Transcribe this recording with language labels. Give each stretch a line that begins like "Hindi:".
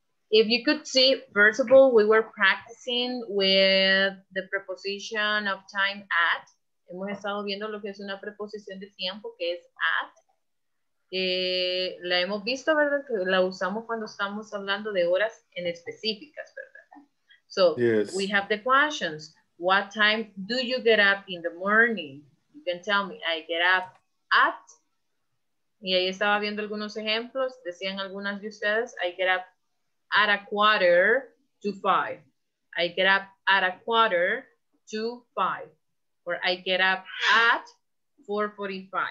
English: If you could see, first of all, we were practicing with the preposition of time at.
Spanish: Hemos estado viendo lo que es una preposición de tiempo, que es at. La hemos visto, ¿verdad? Que la usamos cuando estamos hablando de horas en específicas, ¿verdad?
English: So, yes. We have the questions. What time do you get up in the morning? You can tell me, I get up at.
Spanish: Y ahí estaba viendo algunos ejemplos. Decían algunas de ustedes,
English: I get up at a quarter to five. I get up at a quarter to five. Or I get up at 4:45.